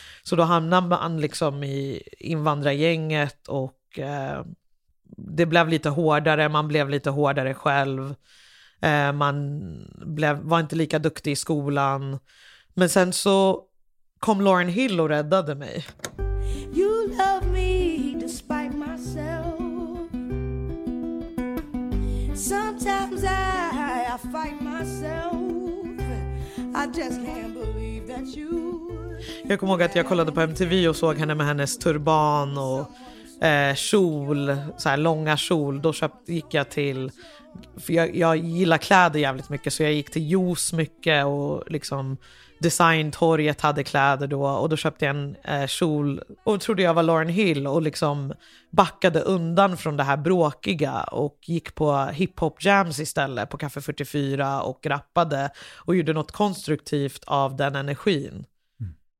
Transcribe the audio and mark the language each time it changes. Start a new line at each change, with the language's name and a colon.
Swedish: Så då hamnade man liksom i invandrargänget och det blev lite hårdare, man blev lite hårdare själv. Man var inte lika duktig i skolan. Men sen så kom Lauryn Hill och räddade mig.
English: You love me despite myself. Sometimes I fight myself. I just can't believe that you.
Swedish: Jag kommer ihåg att jag kollade på MTV och såg henne med hennes turban och kjol, så här långa kjol. Då gick jag till, för jag gillar kläder jävligt mycket, så jag gick till Joss mycket och liksom Designtorget hade kläder då och då köpte jag en kjol och trodde jag var Lauryn Hill och liksom backade undan från det här bråkiga och gick på hiphop jams istället på Café 44 och rappade och gjorde något konstruktivt av den energin. Mm.